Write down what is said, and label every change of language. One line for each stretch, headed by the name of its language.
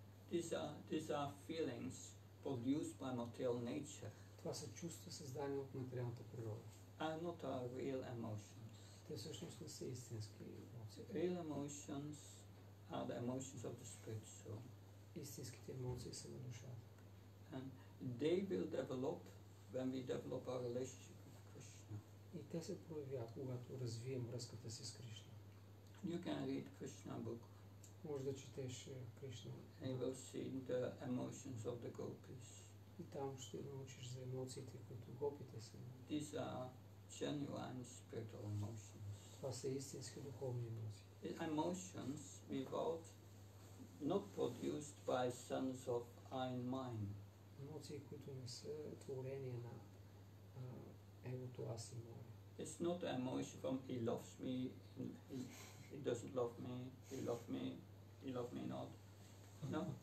English: These are feelings produced by material nature.
Bulgarian: Това са чувства, създадени от материалната природа.
English: Are not our real emotions.
Bulgarian: Те всъщност не са истински емоции.
English: Real emotions are the emotions of the spirit soul.
Bulgarian: Истинските емоции са на душата.
English: And they will develop when we develop our relationship with Krishna.
Bulgarian: И те се проявяват, когато развием връзката си с Кришна.
English: You can read Krishna book.
Bulgarian: Може да четеш Кришна.
English: And you will see the emotions of the gopis.
Bulgarian: И там ще научиш за емоциите, които гопите са.
English: These are genuine spiritual emotions.
Bulgarian: Това са истински духовни емоции.
English: Emotions without, not produced by sense of I and mine.
Bulgarian: Емоции, които не са творение на егото аз и мое.
English: It's not an emotion from he loves me, he doesn't love me, he loves me not. No.